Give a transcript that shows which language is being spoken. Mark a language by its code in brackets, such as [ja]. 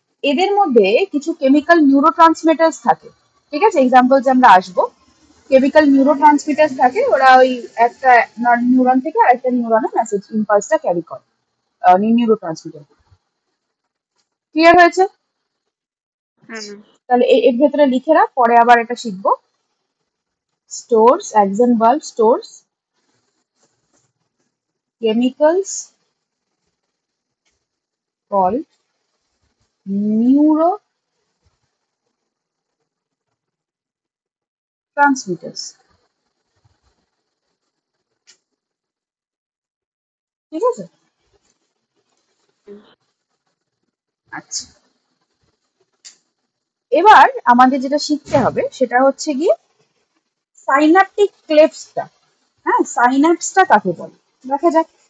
[bn] এদের মধ্যে কিছু কেমিক্যাল নিউরোট্রান্সমিটার্স থাকে, ঠিক আছে, এক্সাম্পলস আমরা আসব, কেমিক্যাল নিউরোট্রান্সমিটার্স থাকে, ওরা ওই একটা নিউরন থেকে আরেকটা নিউরনে মেসেজ ইম্পালসটা ক্যারি করে, নিউরোট্রান্সমিটার, ক্লিয়ার হয়েছে? তাহলে এর ভেতরে লিখে রাখ, পরে আবার এটা শিখব। [en] Stores, axon bulb stores chemicals called neurotransmitters. [bn] ঠিক আছে, আচ্ছা, এবার আমাদের যেটা শিখতে হবে সেটা হচ্ছে গিয়ে সাইন্যাপটিক ক্লেফসটা, হ্যাঁ সাইন্যাপসটা কাকে বলে দেখা যাক।